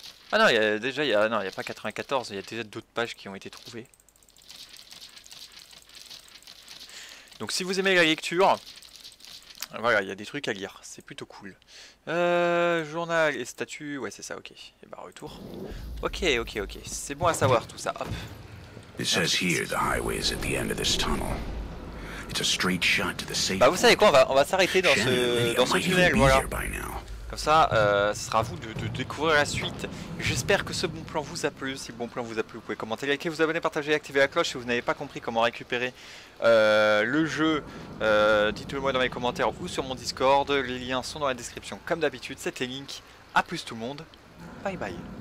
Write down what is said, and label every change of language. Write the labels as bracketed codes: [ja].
[fr] Ah non, il y a pas 94, il y a déjà d'autres pages qui ont été trouvées. Donc si vous aimez la lecture, voilà, il y a des trucs à lire, c'est plutôt cool. Journal et statut, ouais, c'est ça, ok. Et bah ben, retour. Ok, c'est bon à savoir tout ça. Hop. [en] It says here the highway is at the end of this tunnel. It's a straight shot to the safe. [fr] Bah vous savez quoi, on va s'arrêter dans ce tunnel, voilà. Comme ça, ce sera à vous de découvrir la suite. J'espère que ce bon plan vous a plu. Si le bon plan vous a plu, vous pouvez commenter, liker, vous abonner, partager, activer la cloche. Si vous n'avez pas compris comment récupérer le jeu, dites-le moi dans les commentaires ou sur mon Discord. Les liens sont dans la description comme d'habitude. C'était Link. A plus tout le monde. Bye bye.